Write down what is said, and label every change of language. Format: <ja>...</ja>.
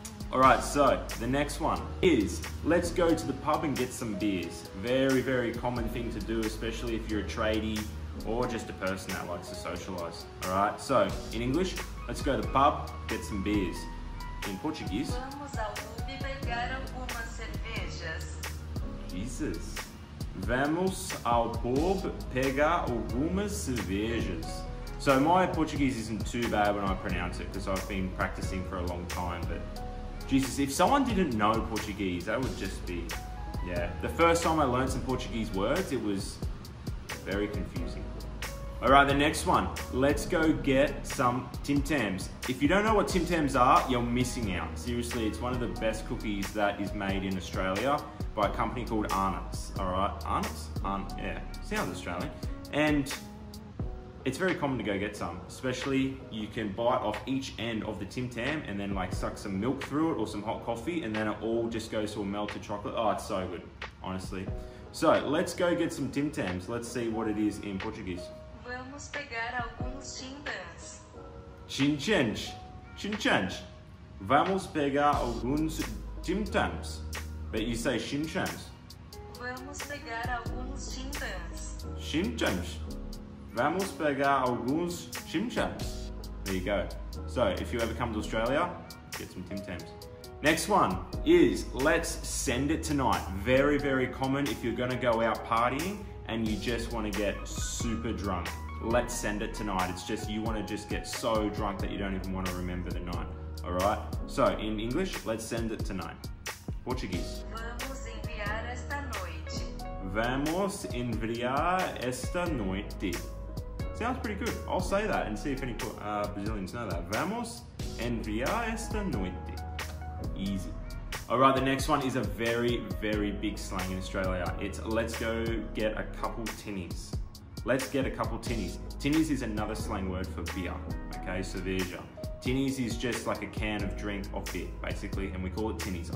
<en>All right, so the next one is, let's go to the pub and get some beers. Very, very common thing to do, especially if you're a tradie or just a person that likes to socialize. All right, so in English, let's go to the pub, get some beers. In Portuguese,</en> <pt>vamos ao pub pegar algumas cervejas.</pt> <en>Jesus.</en> <pt>Vamos ao pub pegar algumas cervejas.</pt> <en>So my Portuguese isn't too bad when I pronounce it because I've been practicing for a long time, but Jesus, if someone didn't know Portuguese, that would just be, yeah. The first time I learned some Portuguese words, it was very confusing. All right, the next one. Let's go get some Tim Tams. If you don't know what Tim Tams are, you're missing out. Seriously, it's one of the best cookies that is made in Australia by a company called Arnott's. All right, Arnott's? Yeah, sounds Australian. And it's very common to go get some, especially you can bite off each end of the Tim Tam and then like suck some milk through it or some hot coffee and then it all just goes to a melted chocolate. Oh, it's so good, honestly. So let's go get some Tim Tams. Let's see what it is in Portuguese.</en> <pt>Vamos pegar alguns chimpans. Chinchens. Chinchens. Vamos pegar alguns Tim Tams.</pt> <en>But you say chinchens.</en> <pt>Vamos pegar alguns chimpans. Chinchens. Vamos pegar alguns Tim Tams.</pt> <en>There you go. So if you ever come to Australia, get some Tim Tams. Next one is, let's send it tonight. Very, very common if you're gonna go out partying and you just wanna get super drunk. Let's send it tonight. It's just, you wanna just get so drunk that you don't even wanna remember the night, all right? So in English, let's send it tonight. Portuguese.</en> <pt>Vamos enviar esta noite. Vamos enviar esta noite.</pt> <en>Sounds pretty good. I'll say that and see if any Brazilians know that.</en> <pt>Vamos enviar esta noite.</pt> <en>Easy. All right, the next one is a very, very big slang in Australia. It's, let's go get a couple tinnies. Let's get a couple tinnies. Tinnies is another slang word for beer, okay, cerveja. Tinnies is just like a can of drink of beer, basically, and we call it tinnies.</en>